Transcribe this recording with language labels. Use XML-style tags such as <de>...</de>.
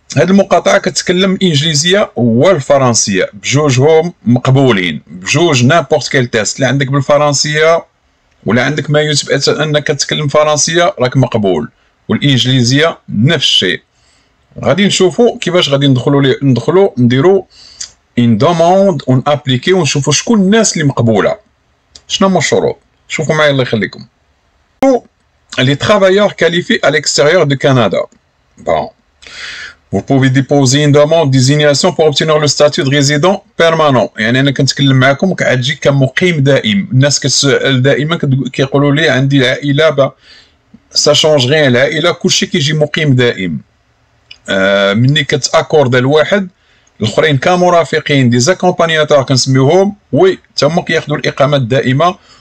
<ar>هاد المقاطعة كتكلم الإنجليزية والفرنسية بجوجهم مقبولين, بجوج نابورت كيل تيست اللي عندك بالفرنسية ولا عندك ما يجب أنك تتكلم فرنسية راك مقبول, والإنجليزية نفس الشيء. غادي نشوفو كيفاش غادي ندخلو نديرو إن دوموند أون أبليكي ونشوفو شكون الناس اللي مقبولة, شنو هما الشروط. شوفو معايا الله يخليكم.</ar> <fr>لي ترافايور كاليفي أ ليكستيريور دو كندا, بون Vous pouvez déposer une demande d'insignation pour obtenir le statut de résident permanent.</fr> <ar>يعني انا كنتكلم معكم كتجي كمقيم دائم. الناس كتسال دائما كيقولوا لي عندي العائله, با سا شونج غير العائله, كلشي كيجي مقيم دائم. ملي كتاكورد الواحد الاخرين كمرافقين دي زاكومبانياتور كنسميوهم, وي تما كياخذوا الاقامه الدائمه.</ar>